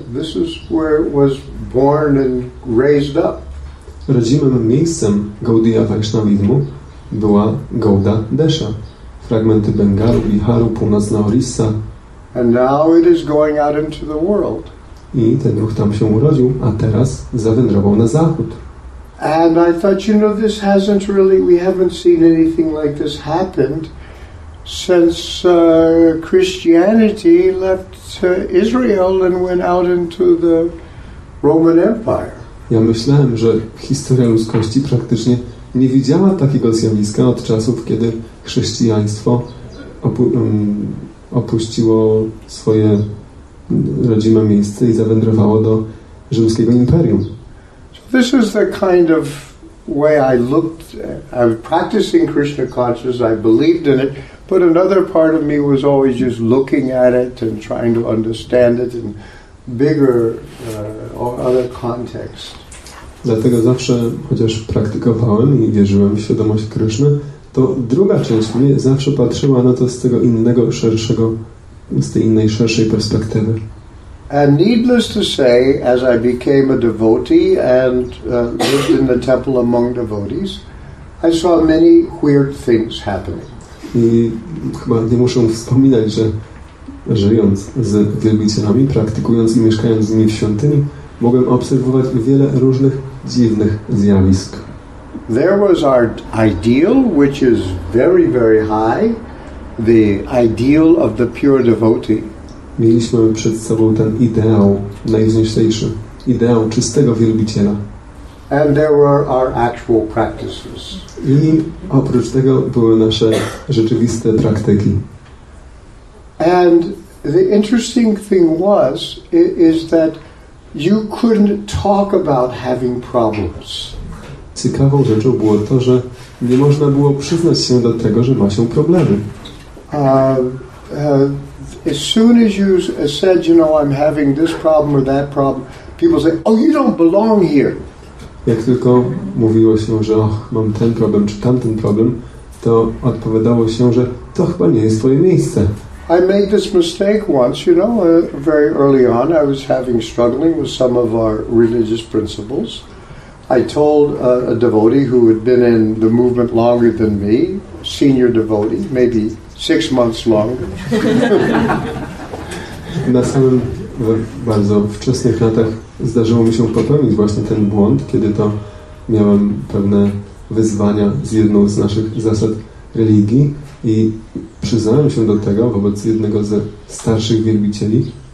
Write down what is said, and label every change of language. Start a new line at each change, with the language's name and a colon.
English: This is where it was born and raised up.
Polish: Rodzimym miejscem Gaudiya Vaishnavizmu była Gauda Desha, fragmenty Bengalu, Biharu, północna Orissa.
English: And now it is going out into the world.
Polish: I ten ruch tam się urodził, a teraz zawędrował na zachód.
English: And I thought, you know, this hasn't really, we haven't seen anything like this happened since Christianity left Israel and went out into the Roman Empire.
Polish: Ja myślałem, że historia ludzkości praktycznie nie widziała takiego zjawiska od czasów, kiedy chrześcijaństwo opuściło swoje rodzime miejsce i zawędrowało do rzymskiego imperium.
English: This is the kind of way I looked. I'm practicing Krishna consciousness. I believed in it, but another part of me was always just looking at it and trying to understand it in bigger or other context.
Polish: Dlatego zawsze, chociaż praktykowałem i wierzyłem w świadomość Kryszny, to druga część mnie zawsze patrzyła na to z tego innego, szerszego, z tej innej, szerszej perspektywy.
English: And needless to say, as I became a devotee and lived in the temple among devotees, I saw many weird things happening.
Polish: I chyba nie muszę wspominać, że żyjąc z wielbicielami, praktykując i mieszkając z nimi w świątyni, mogłem obserwować wiele różnych dziwnych zjawisk.
English: There was our ideal, which is very, very high, the ideal of the pure devotee.
Polish: Mieliśmy przed sobą ten ideał najwznioślejszy, ideał czystego wielbiciela.
English: And there were our actual practices.
Polish: I oprócz tego były nasze rzeczywiste praktyki.
English: And the interesting thing was is that you couldn't talk about having problems.
Polish: Ciekawą rzeczą było to, że nie można było przyznać się do tego, że ma się problemy.
English: As soon as you said, you know, I'm having this problem or that problem, people say, oh, you don't belong here.
Polish: Jak tylko mówiło się, że och, mam ten problem czy tamten problem, to odpowiadało się, że to chyba nie jest twoje miejsce.
English: I made this mistake once, you know, very early on. I was struggling with some of our religious principles. I told a devotee who had been in the movement longer than me, senior devotee, maybe 6 months longer.
Polish: Na samym bardzo wczesnych latach zdarzyło mi się popełnić właśnie ten błąd, kiedy to miałem pewne wyzwania z jedną z naszych zasad religii. I przyznałem się do tego wobec jednego ze starszych wielbicieli.